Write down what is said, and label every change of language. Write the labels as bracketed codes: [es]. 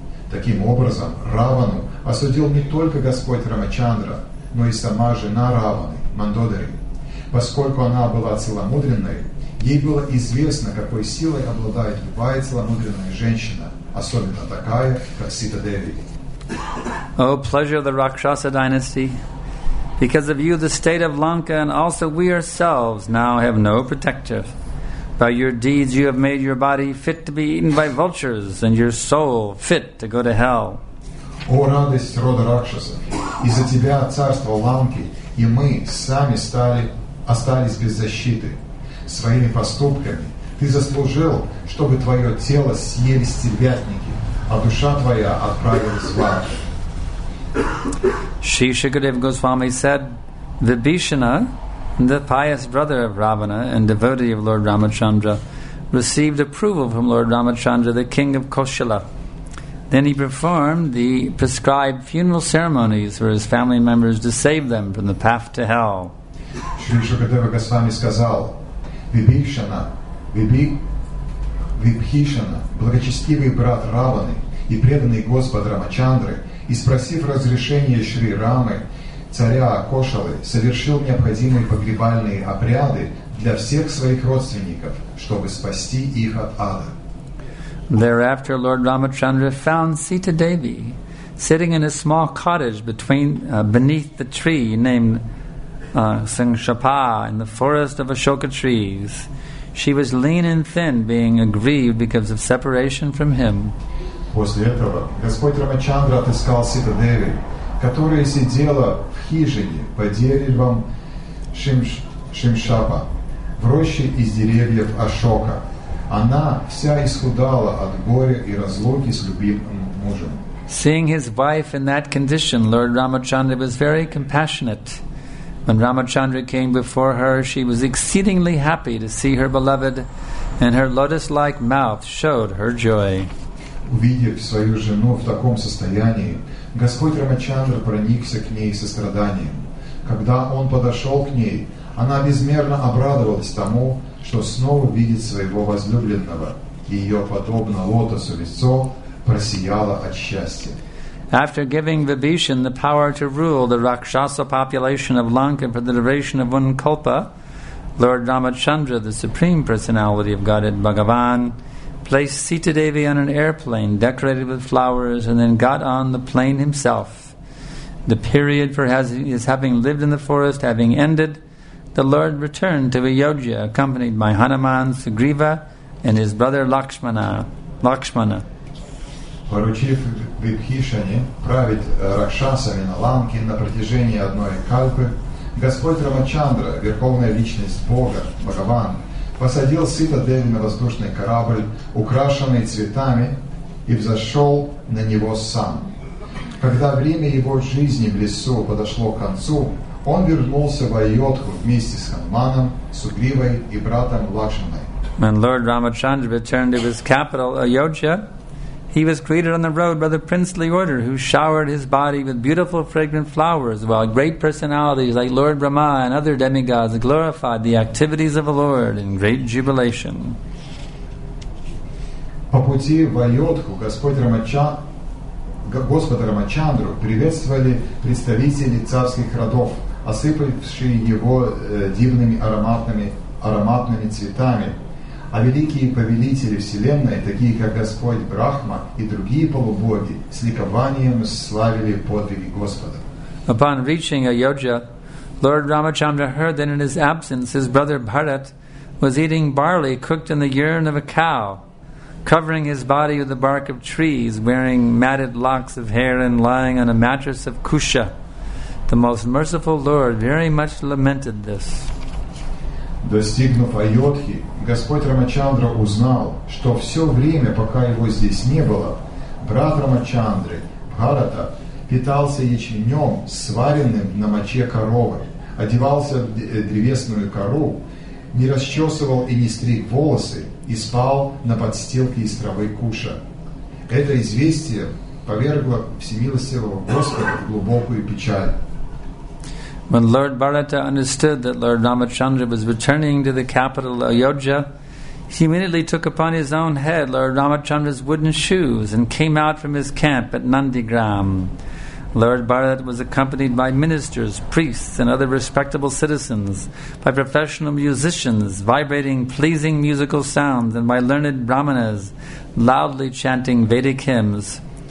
[ru] Таким образом, Равану осудил не только Господь Рамачандра, но и сама жена Раваны, Мандодари. Поскольку она была целомудренной, ей было известно, какой силой обладает любая целомудренная женщина, особенно такая, как Сита-деви. [en] О, pleasure of the Rakshasa dynasty! Because of you, the state of Lanka and also we ourselves now have no protector. By your deeds, you have made your body fit to be eaten by vultures and your soul fit to go to hell. [ru] О, радость рода Ракшасов! Из-за тебя царство Ланки, и мы сами остались без защиты. Своими поступками ты заслужил, чтобы твое тело съели стервятники, а душа твоя отправилась в ад. [en] Shri Shukadev Goswami said, Vibhishana, the pious brother of Ravana and devotee of Lord Ramachandra, received approval from Lord Ramachandra, the king of Kosala. Then he performed the prescribed funeral ceremonies for his family members to save them from the path to hell. [ru] Shri Shukadev Goswami сказал, Vibhishana, благочестивый брат Раваны и преданный Господ Рамачандры, и спросив разрешение Шри Рамы, царя Акошалы, совершил необходимые погребальные обряды для всех своих родственников, чтобы спасти их от ада. [en] Thereafter, Lord Ramachandra found Sita Devi sitting in a small cottage beneath the tree named Sangshapa in the forest of Ashoka trees. She was lean and thin, being aggrieved because of separation from him. [ru] После этого Господь Рамачандра отыскал Сита-деви, которая сидела в хижине под деревом Шимшапа, в роще из деревьев Ашока. Она вся исхудала от горя и разлуки с любимым мужем. [en] Seeing his wife in that condition, Lord Ramachandra was very compassionate. When Ramachandra came before her, she was exceedingly happy to see her beloved, and her lotus-like mouth showed her joy. [ru] Увидев свою жену в таком состоянии, Господь Рамачандра проникся к ней состраданием. Когда он подошел к ней, она безмерно обрадовалась тому, что снова видит своего возлюбленного, и ее, подобно лотосу, лицо просияло от счастья. [en] After giving Vibhishan the power to rule the Rakshasa population of Lanka for the duration of one kalpa, Lord Ramachandra, the Supreme Personality of Godhead Bhagavan, placed Sita Devi on an airplane decorated with flowers and then got on the plane himself. The period for his having lived in the forest having ended, the Lord returned to Ayodhya accompanied by Hanuman, Sugriva and his brother Lakshmana. [ru] Поручив Вибхишане править ракшасами на Ланке на протяжении одной кальпы, Господь Рамачандра, верховная личность Бога, Бхагаван, посадил Сита-деви на воздушный корабль, украшенный цветами, и взошел на него сам. Когда время его жизни в лесу подошло к концу, он вернулся в Айодху вместе с Хануманом, Сугривой и братом Лакшманой. [en] When Lord Ramachandra returned to his capital, Ayodhya, he was greeted on the road by the princely order, who showered his body with beautiful fragrant flowers, while great personalities like Lord Brahma and other demigods glorified the activities of the Lord in great jubilation. [ru] По пути в Айодху Господь Рамачандра господа Рамачандру приветствовали представители царских родов, осыпавшие его дивными ароматными цветами. А великие повелители Вселенной, такие как Господь Брахма и другие полубоги, с ликованием славили подвиги Господа. [en] Upon reaching Ayodhya, Lord Ramachandra heard that in his absence his brother Bharat was eating barley cooked in the urine of a cow, covering his body with the bark of trees, wearing matted locks of hair and lying on a mattress of kusha. The most merciful Lord very much lamented this. [ru] Достигнув Айодхи, Господь Рамачандра узнал, что все время, пока его здесь не было, брат Рамачандры, Бхарата, питался ячменем, сваренным на моче коровы, одевался в древесную кору, не расчесывал и не стриг волосы и спал на подстилке из травы куша. Это известие повергло всемилостивого Господа в глубокую печаль. [en] When Lord Bharata understood that Lord Ramachandra was returning to the capital Ayodhya, he immediately took upon his own head Lord Ramachandra's wooden shoes and came out from his camp at Nandigram. Lord Bharata was accompanied by ministers, priests, and other respectable citizens, by professional musicians vibrating pleasing musical sounds, and by learned brahmanas loudly chanting Vedic hymns.